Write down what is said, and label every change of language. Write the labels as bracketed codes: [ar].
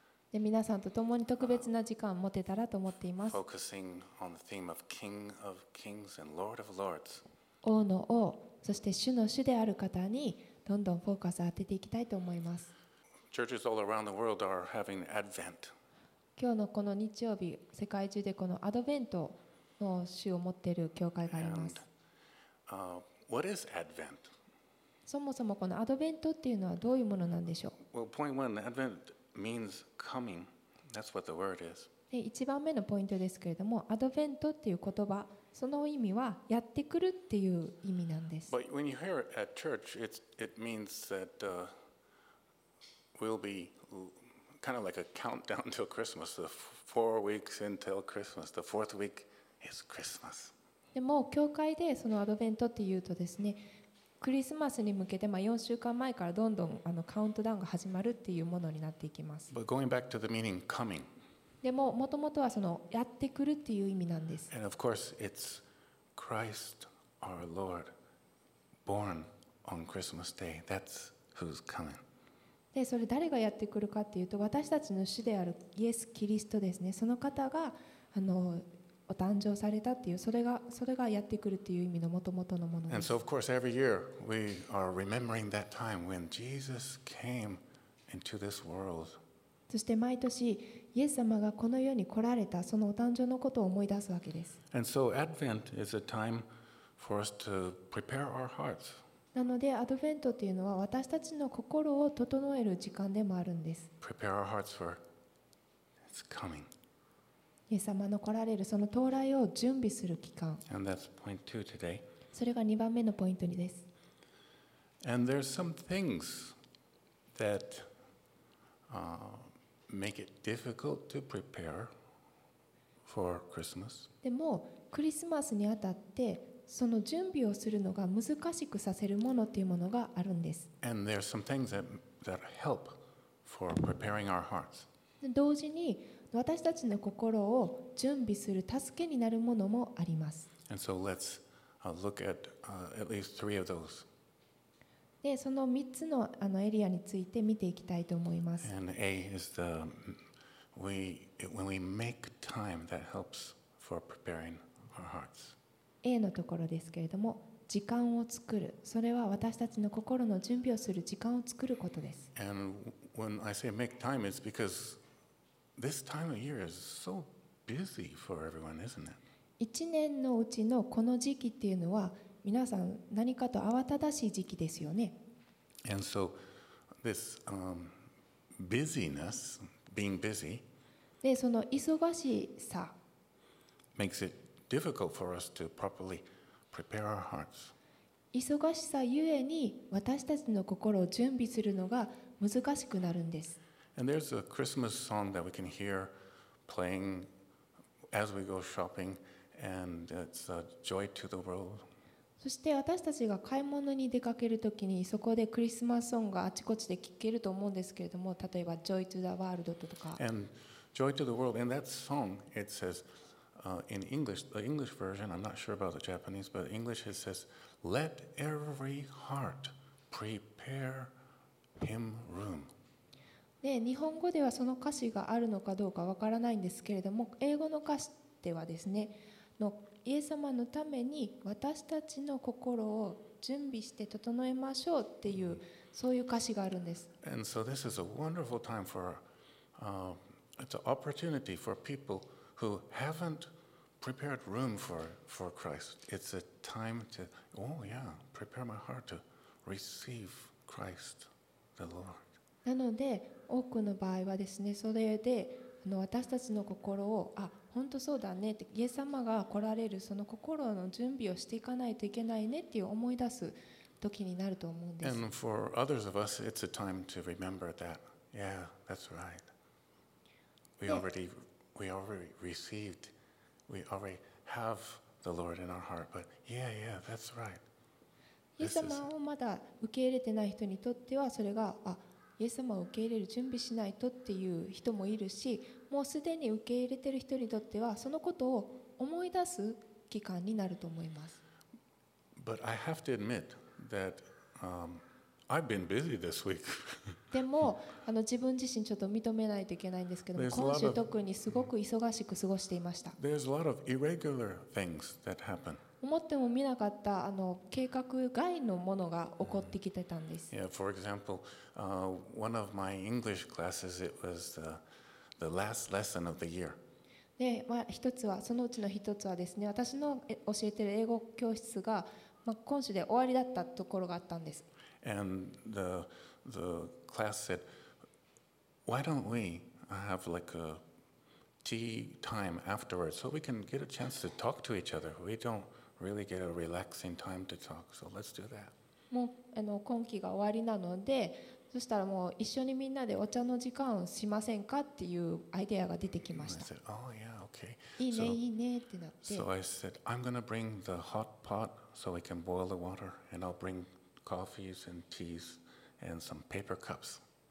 [ja] で皆さんと共に特別な時間を持てたらと思っています。 [en] Focusing on the theme of King of Kings and Lord of Lords。 [ja] 王の王、そして主の主である方にどんどんフォーカスを当てていきたいと思います。 [en] Churches all around the world are having Advent。 [ja] 今日のこの日曜日、世界中でこのアドベントの週を持っている教会があります。 [en] What is Advent? [ja] そもそもこのアドベントっていうのはどういうものなんでしょう。 [en] Well, point one, Advent means coming. That's what the word is. [ja] 一番目のポイントですけれども、アドベントっていう言葉、その意味はやってくるっていう意味なんです。 [en] But when you hear it at church, it means that we'll be kind of like a countdown till Christmas. The 4 weeks until Christmas. The fourth week is Christmas. [ja] でも教会でそのアドベントっていうとですね、クリスマスに向けてまあ4週間前からどんどんあのカウントダウンが始まるっていうものになっていきます。 [en] But going back to the meaning coming. [ja] でも元々はそのやってくるっていう意味なんです。 [en] And of course, it's Christ our Lord born on Christmas Day. That's who's coming. [ja] でそれ誰がやってくるかっていうと私たちの主であるイエス・キリストですね。その方がお誕生されたっていうそれがやってくるっていう意味の元々のものです。 [en] And so of course every year we are remembering that time when Jesus came into this world. [ja] そして毎年イエス様がこの世に来られたそのお誕生のことを思い出すわけです。 [en] And so Advent is a time for us to prepare our hearts. [ja] なのでアドベントっていうのは私たちの心を整える時間でもあるんです。 [en] Prepare our hearts for it's coming. [ja] イエス様の来られるその到来を準備する期間。 [en] And that's point two today. [ja] それが2番目のポイントです。 [en] And there's some things that make it difficult to prepare for Christmas. [ja] でもクリスマスにあたってその準備をするのが難しくさせるものというものがあるんです。 [en] And there's some things that help for preparing our hearts. [ja] 同時に私たちの心を準備する助けになるものもあります。 [en] And so let's look at at least three of those. [ja] で、その3つのあのエリアについて見ていきたいと思います。 [en] And A is the when we make time that helps for preparing our hearts. [ja] A のところですけれども、時間を作る。それは私たちの心の準備をする時間を作ることです。 [en] And when I say make time, it's becauseThis time of year is so busy for everyone, isn't it? [ja] 一年のうちのこの時期っていうのは皆さん何かと慌ただしい時期ですよね。 [en] And so this busyness, being busy, [ja] でその忙しさ [en] makes it difficult for us to properly prepare our hearts. [ja] 忙しさゆえに私たちの心を準備するのが難しくなるんです。 [en] And there's a Christmas song that we can hear playing as we go shopping, and it's a joy to the world. [ja] そして私たちが買い物に出かけるときにそこでクリスマスソングがあちこちで聴けると思うんですけれども、例えば Joy to the World とか。 [en] And Joy to the World, in that song, it says, in English, the English version, I'm not sure about the Japanese, but English it says, "Let every heart prepare him room." [ja] で日本語ではその歌詞があるのかどうかわからないんですけれども英語の歌詞ではですねのイエス様のために私たちの心を準備して整えましょうっていうそういう歌詞があるんです。 [en] And so this is a wonderful time for it's an opportunity for people who haven't prepared room for Christ. It's a time to oh yeah prepare my heart to receive Christ the Lord. [ja] なので多くの場合はですねそれで私たちの心をあ本当そうだねってイエス様が来られるその心の準備をしていかないといけないねっていう思い出す時になると思うんです。 [en] And for others of us, it's a time to remember that. Yeah, that's right. We already received. We already have the Lord in our heart. But yeah, yeah, that's right. [ja] イエス様をまだ受け入れてない人にとってはそれが、あ、イエス様を受け入れる準備しないとっていう人もいるし、もうすでに受け入れてる人にとってはそのことを思い出す期間になると思います。 [en] But I have to admit that, I've been busy this week. [ja] でも自分自身ちょっと認めないといけないんですけども、今週特にすごく忙しく過ごしていました。 [en] There's a lot of irregular things that happen. [ja] 思っても見なかった計画外のものが起こってきてたんです。 [en] Yeah, for example, one of my English classes, it was the last lesson of the year. [ja] で、まあ一つはそのうちの一つはですね、私の教えている英語教室が、まあ、今週で終わりだったところがあったんです。 [en] And the class said, why don't we have like a tea time afterwards so we can get a chance to talk to each other? We don'treally get a relaxing time to talk. So let's do that. [ja] もう今期が終わりなので、そしたらもう一緒にみんなでお茶の時間をしませんかっていうアイデアが出てきました。 [en] And I said, oh, yeah, okay. [ja] いいね、いいねってなって。 [en] So I said, I'm going to bring the hot pot so we can boil the water, and I'll bring coffees and teas and some paper cups.